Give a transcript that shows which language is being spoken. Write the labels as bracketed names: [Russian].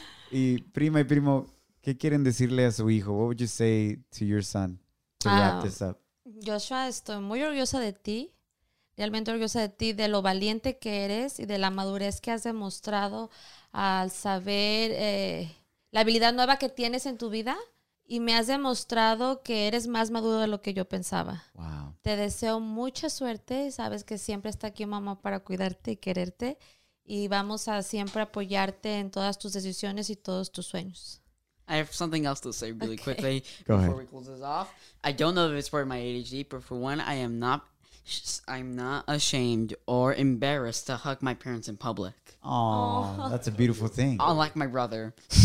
[Spanish] Y prima y primo, ¿qué quieren decirle a su hijo? [English] What would you say to your son to wrap this up? [Spanish] Joshua, estoy muy orgullosa de ti. Realmente orgullosa de ti, de lo valiente que eres y de la madurez que has demostrado al saber la habilidad nueva que tienes en tu vida. Y me has demostrado que eres más maduro de lo que yo pensaba. [English] Wow. [Spanish] Te deseo mucha suerte. Sabes que siempre está aquí mamá para cuidarte y quererte. Y vamos a siempre apoyarte en todas tus decisiones y todos tus sueños. [English] I have something else to say really quickly before we close this off. I don't know if it's part of my ADHD, but for one, I'm not ashamed or embarrassed to hug my parents in public. Oh, that's a beautiful thing. Unlike my brother.